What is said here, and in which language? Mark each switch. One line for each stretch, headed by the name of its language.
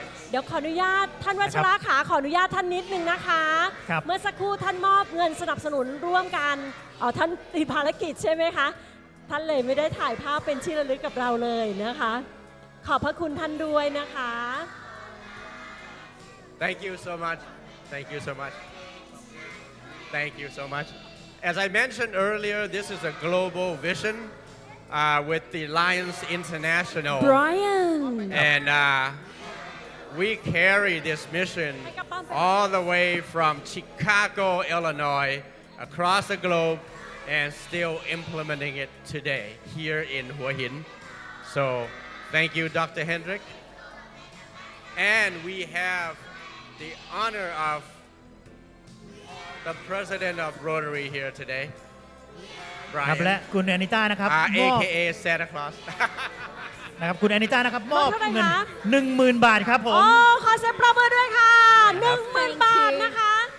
Thai: เดี๋ยวขออนุญาตท่านวัชระขาขออนุญาตท่านนิดนึงนะคะ ครับ เมื่อสักครู่ท่านมอบเงินสนับสนุนร่วมกันท่านติดภารกิจใช่ไหมคะท่านเลยไม่ได้ถ่ายภาพเป็นที่ระลึกกับเราเลยนะคะขอบพระคุณท่านด้วยนะคะ
English: Thank you so much Thank you so much Thank you so much As I mentioned earlier this is a global vision with the Lions International Brian andWe carry this mission all the way from Chicago, Illinois, across the globe, and still implementing it today here in Hua Hin. So, thank you, Dr. Hendrick. And we have the honor of the president of Rotary here today, Brian, AKA Santa Claus.
Thai: นะครับคุณแอนิต้านะครับมอบเงิน 10,000 บาทครับผม โอ้ขอเซ็นปรบมือด้วยค่ะ 10,000 บาทนะคะ